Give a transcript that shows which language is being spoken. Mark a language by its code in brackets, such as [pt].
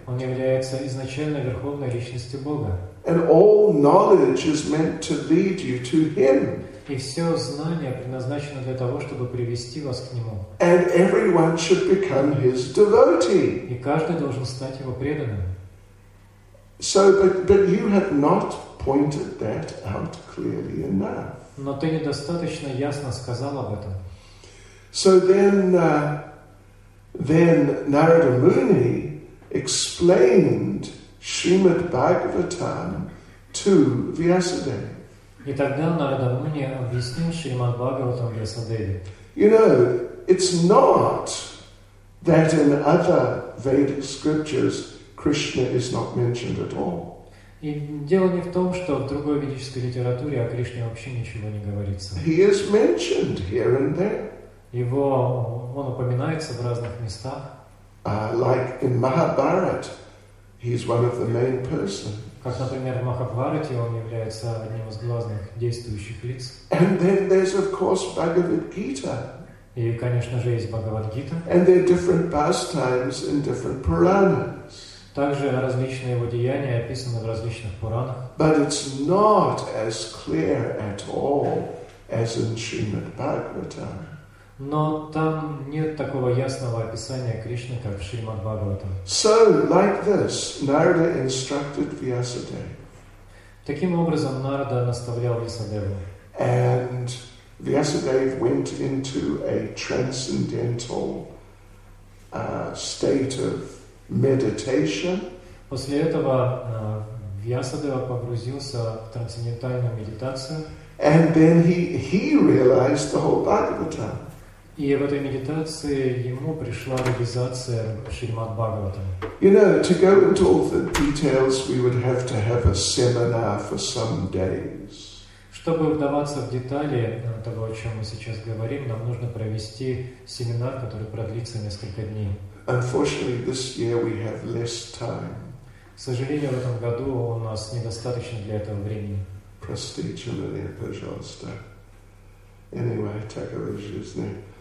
[ru] Он является изначальной верховной личностью Бога. [en] And all knowledge is meant to lead you to Him. [ru] И все знание предназначено для того, чтобы привести вас к Нему. [en] And everyone should become His devotee. [ru] И каждый должен стать Его преданным. [en] So, but you have not pointed that out clearly enough. [ru] Но ты недостаточно ясно сказал об этом. [en] So then Narada Muni explained Shrimad Bhagavatam to Vyasadeva. [ru] И тогда Нарада Муни объяснил Шримад Бхагаватам Вьясадеве. [en] You know, it's not that in other Vedic scriptures Krishna is not mentioned at all. [ru] И дело не в том, что в другой ведической литературе о Кришне вообще ничего не говорится. [en] He is mentioned here and there. [ru] Его, он упоминается в разных местах. [en] Like in Mahabharata, he is one of the main persons. [ru] Как, например, в Махабхарате он является одним из главных действующих лиц. [en] And then there's, of course, Bhagavad Gita. [ru] И, конечно же, есть Бхагавад Гита. [en] And there are different pastimes in different Puranas. [ru] Также различные его деяния описаны в различных Пуранах. [en] But it's not as clear at all as in Srimad Bhagavatam. [ru] Но там нет такого ясного описания Кришны, как в Шримад Бхагаватам. [en] So, like this, Narada instructed Vyasadeva. [ru] Таким образом, Нарада наставлял Вьясадеву. [en] And Vyasadeva went into a transcendental state of meditation. [ru] После этого Вьясадева погрузился в трансцендентальную медитацию. [en] And then he realized the whole Bhagavatam. [ru] И в этой медитации ему пришла реализация Шримад Бхагаватам. [en] You know, to go into all the details, we would have to have a seminar for some days. [ru] Чтобы вдаваться в детали того, о чем мы сейчас говорим, нам нужно провести семинар, который продлится несколько дней. [en] Unfortunately, this year we have less time. [ru] К сожалению, в этом году у нас недостаточно для этого времени. Простите меня, пожалуйста. Anyway, так и жизни.